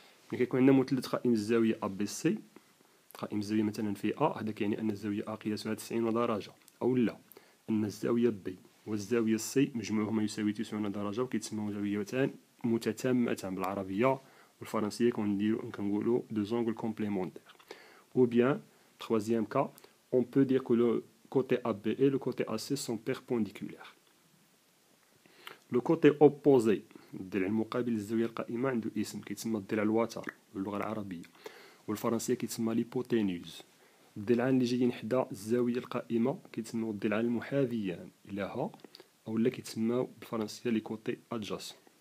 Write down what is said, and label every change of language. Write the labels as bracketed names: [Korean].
[French] Mais quand on a une zawiya ABC, une zawiya [Arabic] مثلا في A, هذا كيعني ان الزاويه A قياسها 90 درجه او لا ان الزاويه B والزاويه C مجموعهما يساوي 90 درجه وكيتسموا زاويتان متتامتان بالعربيه والفرنسيه كنقولوا [French] deux angles complémentaires. Ou bien troisième cas, on peut dire que le côté AB et le côté AC sont perpendiculaires. Le côté opposé, [Arabic] الضلع المقابل للزاويه القائمه عنده اسم كيتسمى الضلع الوتر باللغه العربيه والفرنسيه كيتسمى ليبوتينوز. الضلعان اللي جايين حدا الزاويه القائمه كيتسموا الضلعان المحاذيان لها او لا كيتسموا بالفرنسيه لي كوتي ادجاسون.